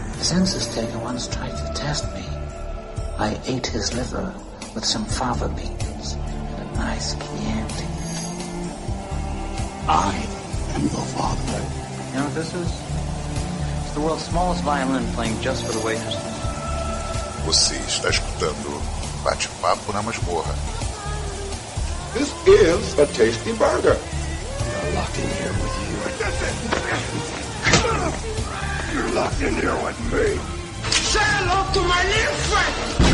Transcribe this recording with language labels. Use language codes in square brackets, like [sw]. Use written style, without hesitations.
[en] census taker once tried to test me. I ate his liver with some fava beans and a nice Chianti. I am the father. You know what this is? It's the world's smallest violin playing just for the waitress. [pt] Você está escutando Bate-Papo na Masmorra. [en] This is a tasty burger. You're locked in here with you. You're locked in here with me. Say hello to my new friend!